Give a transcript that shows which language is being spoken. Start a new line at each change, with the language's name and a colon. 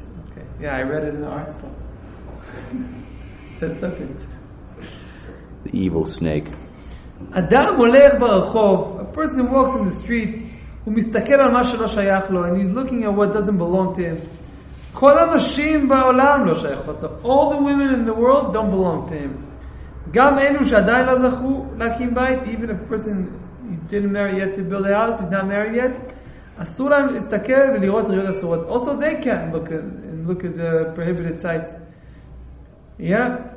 English: Okay. Yeah, I read it in the art spot. It says serpent. The evil snake.
Hebrew: אדם הולך ברחוב,
English: a person walks in the street,
Hebrew: הוא מסתכל על מה שלא שייך לו,
English: and he's looking at what doesn't belong to him.
Hebrew: כל הנשים בעולם לא שייכות לו.
English: All the women in the world don't belong to him.
Hebrew: גם אלו שעדיין לא זכו להקים בית,
English: even a person he didn't marry yet to build a house, he's not married yet,
Hebrew: אסור להם להסתכל ולראות ראיות אסורות.
English: Also they can't look at the prohibited sites. Yeah?